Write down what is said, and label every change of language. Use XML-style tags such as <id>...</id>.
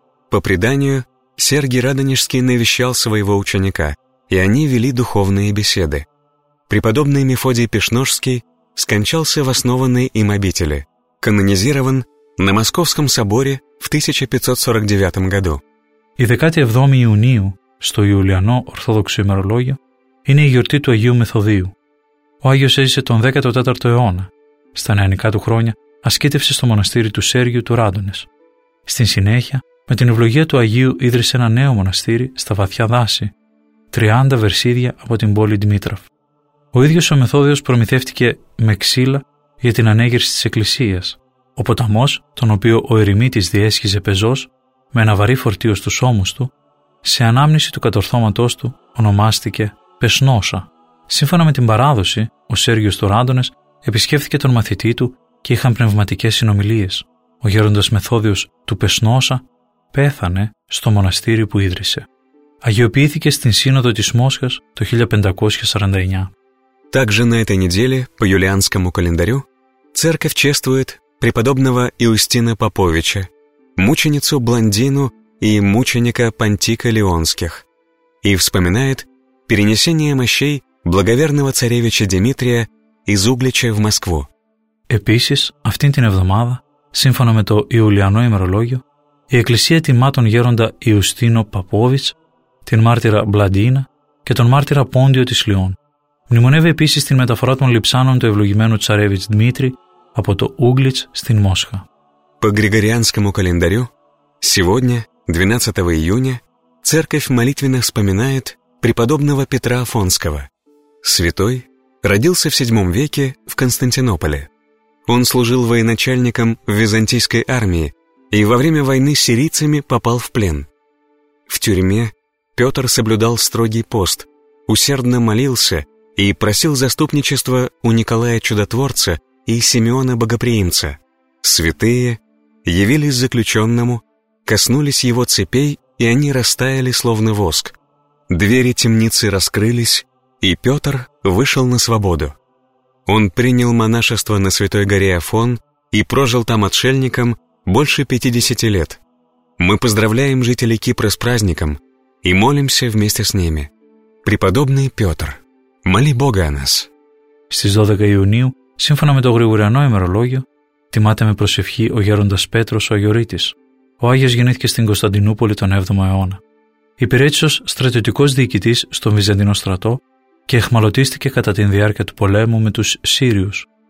<ru>По преданию, Сергий Радонежский навещал своего ученика, и они вели духовные беседы. Преподобный Мефодий Пешношский скончался в основанной им обители. Канонизирован на Московском соборе в 1549 году.</ru> <el>Η 17 Ιουνίου, στο Ιουλιανό Ορθόδοξο ημερολόγιο, είναι η γιορτή του Αγίου Μεθοδίου. Ο Άγιος έζησε τον 14ο αιώνα. Στα νεανικά του χρόνια ασκήτευσε στο μοναστήρι του Σέργιου του Ράντονες. Στην συνέχεια, με την ευλογία του Αγίου ίδρυσε ένα νέο μοναστήρι στα βαθιά δάση, 30 βερσίδια από την πόλη Ντμήτροφ. Ο ίδιος ο Μεθόδιος προμηθεύτηκε με ξύλα για την ανέγερση της εκκλησίας. Ο ποταμός, τον οποίο ο ερημίτης διέσχιζε πεζός, με ένα βαρύ φορτίο στους ώμους του, σε ανάμνηση του κατορθώματός του, ονομάστηκε Πεσνόσα. Σύμφωνα με την παράδοση, ο Σέργιος του Ράντονες επισκέφθηκε τον μαθητή του και είχαν πνευματικές συνομιλίες. Ο γέροντας Μεθόδιος του Πεσνόσα πέθανε στο μοναστήρι που ίδρυσε. Αγιοποιήθηκε στην Σύνοδο της Μόσχας το 1549.</el> <ru>Также на этой неделе, по юлианскому календарю, церковь чествует преподобного Иустина Поповича, мученицу Блондину и мученика Понтика Леонских, и вспоминает перенесение мощей благоверного царевича Дмитрия из Углича в Москву.</ru> <el>Επίσης, αυτήν την εβδομάδα, σύμφωνα με το Ιουλιανό ημερολόγιο, η Εκκλησία τιμά τον γέροντα Ιουστίνο Παπόβιτς, την μάρτυρα Μπλαντίνα και τον μάρτυρα Πόντιο της Λιών. Μνημονεύει επίσης την μεταφορά των λειψάνων του ευλογημένου τσαρέβιτς Δημήτρη από το Ούγκλιτς στην Μόσχα.</el> <ru>По григорианскому календарю, сегодня, 12 июня, церковь молитвенно вспоминает преподобного Петра Афонского. Святой родился в 7 веке в Константинополе. Он служил военачальником в византийской армии и во время войны с сирийцами попал в плен. В тюрьме Петр соблюдал строгий пост, усердно молился и просил заступничества у Николая Чудотворца и Симеона Богоприимца. Святые явились заключенному, коснулись его цепей, и они растаяли, словно воск. Двери темницы раскрылись, и Петр вышел на свободу. Он принял монашество на Святой горе Афон и прожил там отшельником больше 50 лет. Мы поздравляем жителей Кипра с праздником и молимся вместе с ними. Преподобный Петр, моли Бога о нас.</ru> <el>Στις 12 Ιουνίου, σύμφωνα με το γρηγοριανό ημερολόγιο, τιμάται με προσευχή ο γέροντας Πέτρος ο Αγιορείτης. Ο Άγιος γεννήθηκε στην Κωνσταντινούπολη τον 7ο αιώνα. Υπηρέτησε ως στρατιωτικός διοικητής στον Βυζαντινό στρατό και εχμαλωτίστηκε κατά τη διάρκεια του πολέμου με τους Σύριους.</el>